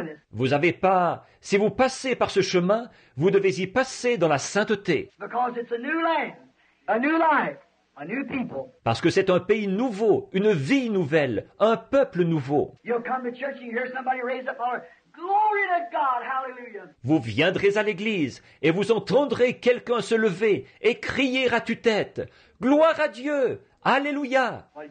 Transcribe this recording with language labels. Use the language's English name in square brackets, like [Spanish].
[French] Vous avez pas. Si vous passez par ce chemin, vous devez y passer dans la sainteté. [English] Because it's a new land, a new life, a new people. [French] Parce que c'est un pays nouveau, une vie nouvelle, un peuple nouveau. [English] You'll come to church and hear somebody raise up our glory to God, hallelujah. [French] Vous viendrez à l'église et vous entendrez quelqu'un se lever et crier à tue-tête. Gloire à Dieu, alléluia.